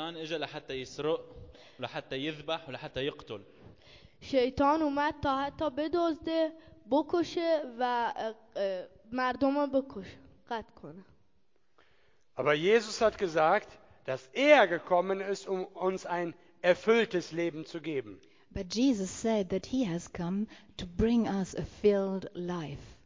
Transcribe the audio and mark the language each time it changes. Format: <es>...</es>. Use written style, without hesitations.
<ar>الشيطان اجى لحتى يسرق لحتى يذبح ولحتى يقتل.</ar> <fa>شیطان اومد تا حتی بدزده بکشه و مردم رو بکشه قد کنه.</fa> <de>Aber Jesus hat gesagt, dass er gekommen ist, um uns ein erfülltes Leben zu geben.</de> <en>But Jesus said that he has come to bring us a filled life.</en>